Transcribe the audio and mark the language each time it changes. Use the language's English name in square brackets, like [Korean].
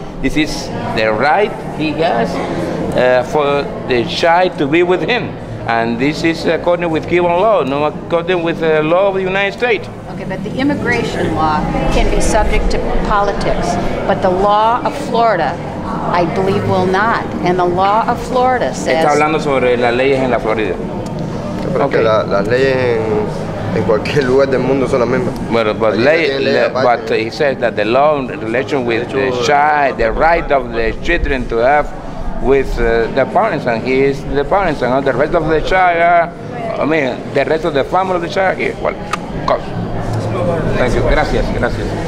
[English] This is the right he has for the child to be with him. And this is according with Cuban law, not according with the law of the United States. Okay, but the immigration law can be subject to politics, but the law of Florida, I believe, will not. And the law of Florida says... [Spanish] Está hablando sobre las leyes en la Florida. [English] Okay. [Spanish] Las leyes en cualquier lugar del mundo son las mismas. [English] Bueno, but he says that the law in relation with the child, the right of the children to have with the parents, and he is the parents, and all the rest of the child, the rest of the family of the child, here. Well, of course. Thank you. [Spanish] Gracias, gracias.